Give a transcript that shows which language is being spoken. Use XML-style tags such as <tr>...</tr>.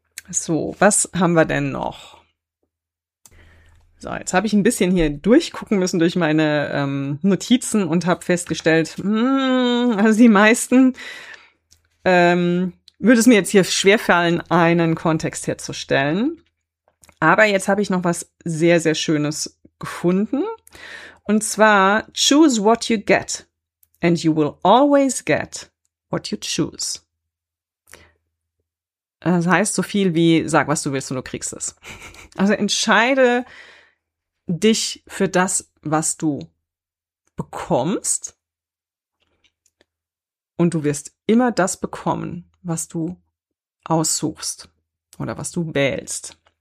<de>So, was haben wir denn noch? So, jetzt habe ich ein bisschen hier durchgucken müssen durch meine Notizen und habe festgestellt, also die meisten würde es mir jetzt hier schwerfallen, einen Kontext herzustellen. Aber jetzt habe ich noch was sehr, sehr Schönes gefunden. Und zwar,</de> <en>choose what you get and you will always get what you choose.</en> <de>Das heißt so viel wie, sag, was du willst und du kriegst es. Also entscheide dich für das, was du bekommst. Und du wirst immer das bekommen, was du aussuchst oder was du wählst.</de>